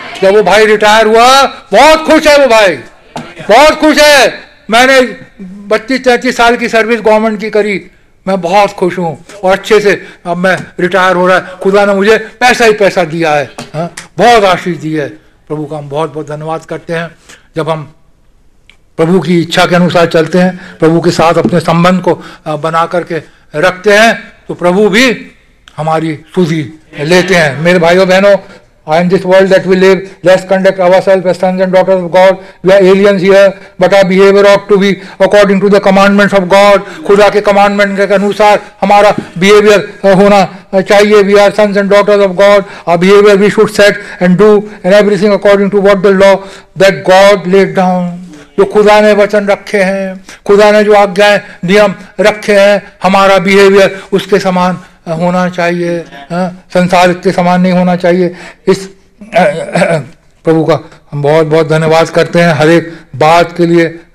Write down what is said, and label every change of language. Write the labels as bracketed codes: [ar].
[hi] जब वो भाई रिटायर हुआ बहुत खुश है, वो भाई बहुत खुश है, मैंने 32-33 साल की सर्विस गवर्नमेंट की करी, मैं बहुत खुश हूँ और अच्छे से अब मैं रिटायर हो रहा है, खुदा ने मुझे पैसा ही पैसा दिया है, बहुत आशीष दी है। प्रभु का हम बहुत बहुत धन्यवाद करते हैं जब हम प्रभु की इच्छा के अनुसार चलते हैं, प्रभु के साथ अपने संबंध को बना करके रखते हैं, तो प्रभु भी हमारी सुधि लेते हैं। मेरे भाइयों बहनों, [en] In this world that we live, let's conduct ourselves as sons and daughters of God. We are aliens here, but our behavior ought to be according to the commandments of God. [hi] खुदा के commandment के अनुसार हमारा behavior होना चाहिए. [en] We are sons and daughters of God. Our behavior we should set and do and everything according to what the law that God laid down. [hi] जो खुदा ने वचन रखे हैं, खुदा ने जो आज्ञाएं नियम रखे हैं, हमारा behavior उसके समान होना चाहिए. संसार के समान नहीं होना चाहिए. इस प्रभु का हम बहुत बहुत धन्यवाद करते हैं हर एक बात के लिए.